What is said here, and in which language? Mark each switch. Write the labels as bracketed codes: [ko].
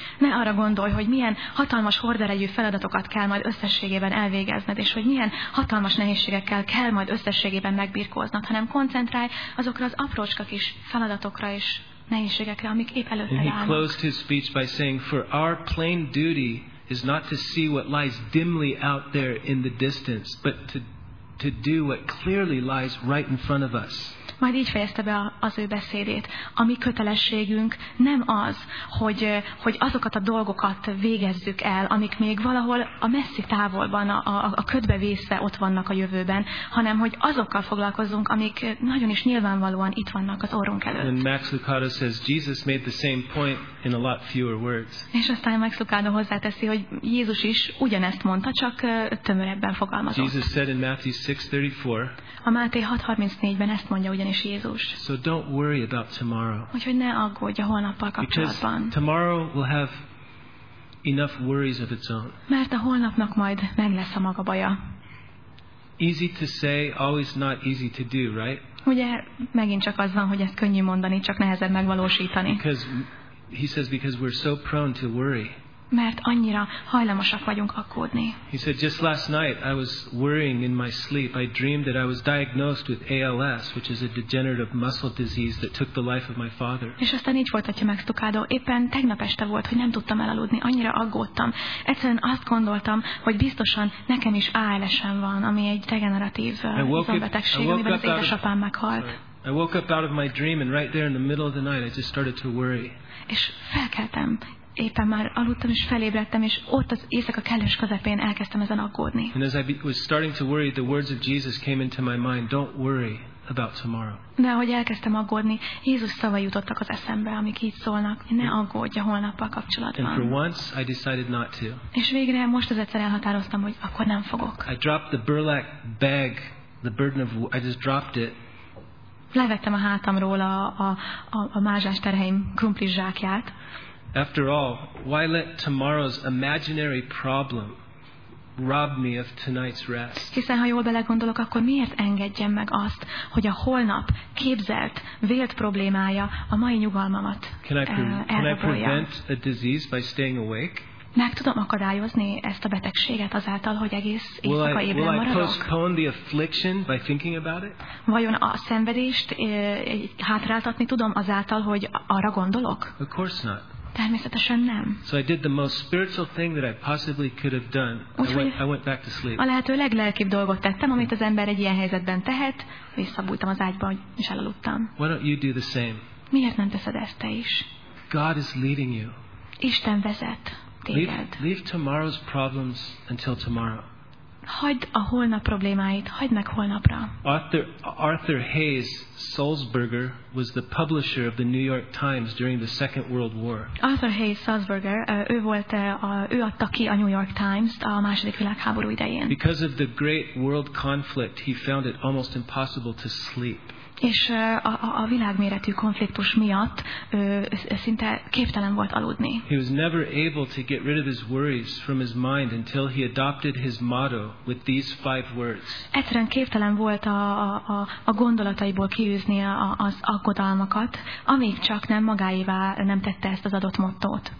[hu] Ne arra gondolj, hogy milyen hatalmas horderejű feladatokat kell majd összességében elvégezned, és hogy milyen hatalmas nehézségekkel kell majd összességében megbirkóznod, hanem koncentrálj azokra az aprócska kis feladatokra és nehézségekre, amik épp előtted állnak. [en] And he closed his speech by saying, "For our plain duty is not to see what lies dimly out there in the distance, but to do what clearly lies right in front of us." [hu] Majd így fejezte be az ő beszédét. A mi kötelességünk nem az, hogy azokat a dolgokat végezzük el, amik még valahol a messzi távolban, a ködbe vészve ott vannak a jövőben, hanem hogy azokkal foglalkozzunk, amik nagyon is nyilvánvalóan itt vannak az orrunk előtt. [en] And Max Lucado says, Jesus made the same point in a lot fewer words. [hu] És aztán Max Lucado hozzáteszi, hogy Jézus is ugyanezt mondta, csak tömörebben fogalmazott. [en] Jesus said in Matthew 6:34, [hu] a Máté 6:34-ben ezt mondja, ugyanis Jézus. [en] So don't worry about tomorrow. [hu] Úgyhogy ne aggódj a holnappal kapcsolatban. [en] Because tomorrow will have enough worries of its own. [hu] Mert a holnapnak majd meg lesz a maga baja. [en] Easy to say, always not easy to do, right? [hu] Ugye megint csak az van, hogy ezt könnyű mondani, csak nehezebb megvalósítani. [en] Because he says because we're so prone to worry. [hu] Mert annyira hajlamosak vagyunk aggódni. [en] He said, just last night I was worrying in my sleep. I dreamed that I was diagnosed with ALS, which is a degenerative muscle disease that took the life of my father. [hu] És aztán így folytatja Max Lucado. Éppen tegnap este volt, hogy nem tudtam elaludni. Annyira aggódtam. Egyszerűen azt gondoltam, hogy biztosan nekem is ALS-em van, ami egy degeneratív izombetegség, amiben az édesapám meghalt. [en] I woke up out of my dream and right there in the middle of the night I just started to worry. [hu] És felkeltem. Éppen már aludtam és felébredtem, és ott az éjszaka kellős közepén elkezdtem ezen aggódni. [en] And as I was starting to worry, the words of Jesus came into my mind, don't worry about tomorrow. [hu] De ahogy elkezdtem aggódni, Jézus szavai jutottak az eszembe, amik így szólnak, ne aggódj a holnappal kapcsolatban. [en] And for once, I decided not to. [hu] És végre most az egyszer elhatároztam, hogy akkor nem fogok. [en] I dropped the burlap bag, the burden of, I just dropped it. [hu] Levettem a hátamról a mázsás terheim krumplis zsákját. [en] After all, why let tomorrow's imaginary problem rob me of tonight's rest? [hu] Hiszen ha jól belegondolok, akkor miért engedjem meg azt, hogy a holnap képzelt, vélt problémája a mai nyugalmamat elrabolja? [en] Can I prevent a disease by staying awake? [hu] Meg tudom akadályozni ezt a betegséget azáltal, hogy egész éjszaka ébren maradok? [en] Will I postpone the affliction by thinking about it? [hu] Vajon a szenvedést hátráltatni tudom azáltal, hogy arra gondolok? [en] Of course not. [hu] Természetesen nem. [en] So I did the most spiritual thing that I possibly could have done. I went back to sleep. [hu] A lehető leglelkibb dolgot tettem, amit az ember egy ilyen helyzetben tehet. Visszabújtam az ágyba, és elaludtam. [en] Why don't you do the same? [hu] Miért nem teszed ezt te is? [en] God is leading you. [hu] Isten vezet téged. [en] Leave tomorrow's problems until tomorrow. [hu] Hagyd a holnap problémáit, hagyd meg holnapra. [en] Arthur Hayes Sulzberger was the publisher of the New York Times during the Second World War. [hu] Arthur Hayes Sulzberger, ő adta ki a New York Times-t a második világháború idején. [en] Because of the great world conflict, he found it almost impossible to sleep. [hu] És a világméretű konfliktus miatt szinte képtelen volt aludni. [en] He was never able to get rid of his worries from his mind until he adopted his motto with these five words. [hu] Egyszerűen képtelen volt a gondolataiból kiűzni az aggodalmakat, amíg csak nem magáévá nem tette ezt az adott mottót.